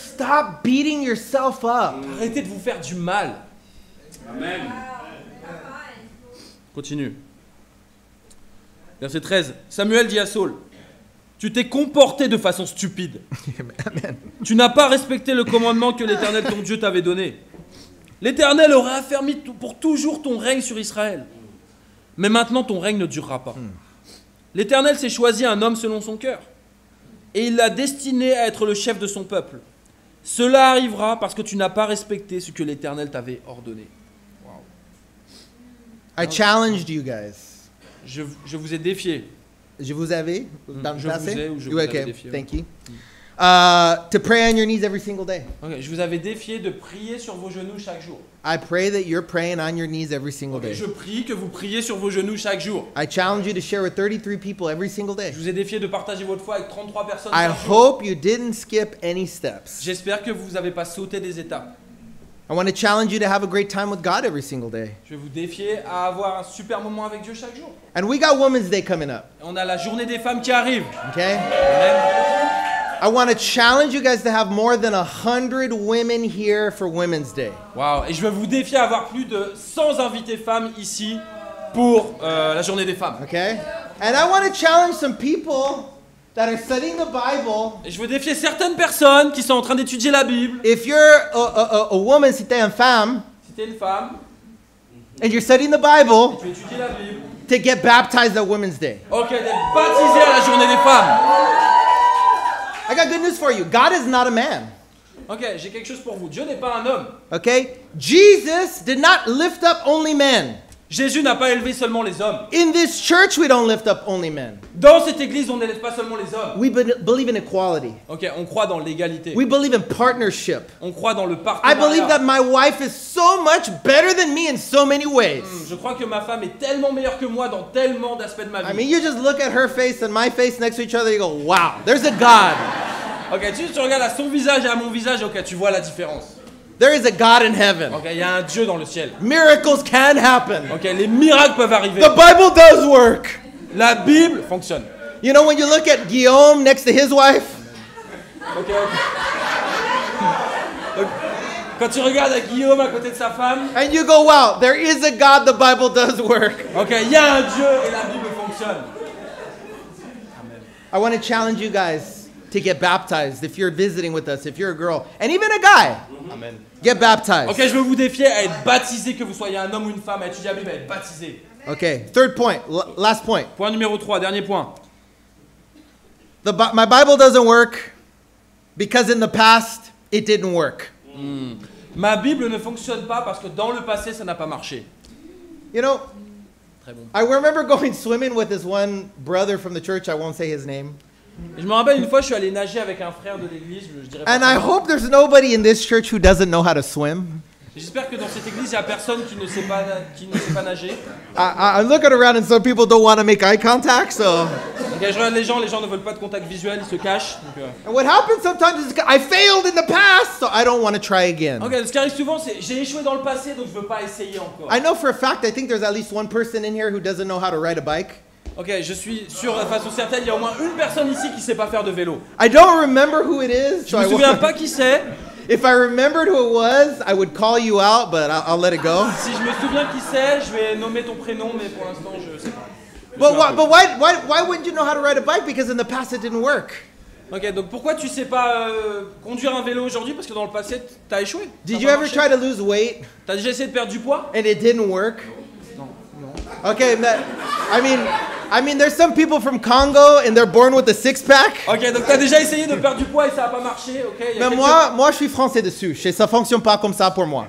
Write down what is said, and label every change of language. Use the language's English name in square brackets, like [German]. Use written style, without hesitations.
[English] Stop beating yourself up. [French] Arrêtez de vous faire du mal. Amen. [English] Continue. [French] Verset 13, Samuel dit à Saul, tu t'es comporté de façon stupide. Amen. Tu n'as pas respecté le commandement que l'Éternel, ton Dieu, t'avait donné. L'Éternel aurait affermi pour toujours ton règne sur Israël. Mais maintenant, ton règne ne durera pas. L'Éternel s'est choisi un homme selon son cœur. Et il l'a destiné à être le chef de son peuple. Cela arrivera parce que tu n'as pas respecté ce que l'Éternel t'avait ordonné. [English] Wow. I challenged you guys. [French] Je vous ai défié. Je vous avais dans le je passé. Vous ai, ou je okay. Vous défié, thank ouais. You. [English] To pray on your knees every single day. Okay. [French] Je vous avais défié de prier sur vos genoux chaque jour. [English] I pray that you're praying on your knees every single okay. Day. [French] Je prie que vous priez sur vos genoux chaque jour. [English] I challenge you to share with 33 people every single day. [French] Je vous ai défié de partager votre foi avec 33 personnes. [English] I hope you didn't skip any steps. [French] J'espère que vous avez pas sauté des étapes. [English] I want to challenge you to have a great time with God every single day. [French] Je vais vous défier à avoir un super moment avec Dieu chaque jour. [English] And we got Women's Day coming up. [French] On a la journée des femmes qui arrive. Okay. Amen. [English] I want to challenge you guys to have more than 100 women here for Women's Day. Wow. [French] Et je vais vous défier à avoir plus de 100 invités femmes ici pour la journée des femmes. Okay. [English] And I want to challenge some people. That are studying the Bible. [French] Et je veux défier certaines personnes qui sont en train d'étudier la Bible. [English] If you're a woman, [French] si t'es une femme, si t'es une femme, [English] And you're studying the Bible. [French] Et tu étudies la Bible. [English] To get baptized on Women's Day. [French] Okay, d'être baptisé à la journée des femmes. [English] I got good news for you. God is not a man. [French] Okay, j'ai quelque chose pour vous. Dieu n'est pas un homme. Okay? [English] Jesus did not lift up only men. [French] Jésus n'a pas élevé seulement les hommes. [English] In this church, we don't lift up only men. [French] Dans cette église, on n'élève pas seulement les hommes. [English] We believe in equality. [French] Okay, on croit dans l'égalité. [English] We believe in partnership. [French] On croit dans le partenariat. [English] I believe that my wife is so much better than me in so many ways. [French] Je crois que ma femme est tellement meilleure que moi dans tellement d'aspects de ma vie. [English] I mean, you just look at her face and my face next to each other, you go, wow, there's a God. [French] Okay, tu regardes à son visage et à mon visage, okay, tu vois la différence. [English] There is a God in heaven. [French] Okay, il y a un Dieu dans le ciel. [English] Miracles can happen. [French] Okay, les miracles peuvent arriver. [English] The Bible does work. [French] La Bible fonctionne. [English] You know when you look at Guillaume next to his wife? Okay. [French] Quand tu regardes à Guillaume à côté de sa femme. [English] And you go, wow, there is a God. The Bible does work. [French] Okay, il y a un Dieu et la Bible fonctionne. Amen. [English] I want to challenge you guys to get baptized if you're visiting with us, if you're a girl, and even a guy. Amen. Get baptized. [French] Okay, je veux vous défier à être baptisé, que vous soyez un homme ou une femme, à étudier la Bible, à être baptisé. [English] Okay, third point, last point. [French] Point numéro 3, dernier point. [English] My Bible doesn't work because in the past, it didn't work. [French] Ma Bible ne fonctionne pas parce que dans le passé, ça n'a pas marché. [English] You know, [French] très bon. [English] I remember going swimming with this one brother from the church, I won't say his name. [French] Je me rappelle une fois, je suis allé nager avec un frère de l'église. Je dirais [English] and I hope there's nobody in this church who doesn't know how to swim. [French] J'espère que dans cette église, il y a personne qui ne sait pas nager. [English] I'm looking around and some people don't want to make eye contact, so. [French] Okay, je regarde les gens ne veulent pas de contact visuel, ils se cachent. Donc, [English] And what happens sometimes is I failed in the past, so I don't want to try again. [French] Okay, ce qui arrive souvent, c'est j'ai échoué dans le passé, donc je veux pas essayer encore. [English] I know for a fact, I think there's at least one person in here who doesn't know how to ride a bike. [French] Ok, je suis sûr, de façon certaine, il y a au moins une personne ici qui ne sait pas faire de vélo. [English] I don't remember who it is. [French] Je ne me souviens pas qui c'est. [English] If I remembered who it was, I would call you out, but I'll let it go. [French] Si je me souviens qui c'est, je vais nommer ton prénom, mais pour l'instant, je ne sais pas. [English] But why wouldn't you know how to ride a bike? Because in the past, it didn't work. [French] Ok, donc pourquoi tu ne sais pas conduire un vélo aujourd'hui? Parce que dans le passé, tu as échoué. [English] Did you ever try to lose weight? [French] Tu as déjà essayé de perdre du poids? [English] And it didn't work? [French] Non. [English] Ok, mais, I mean, there's some people from Congo and they're born with a six-pack. [French] Ok, donc t'as déjà essayé de perdre du poids et ça a pas marché, ok? Mais quelques... moi, je suis français dessus. Ça fonctionne pas comme ça pour moi.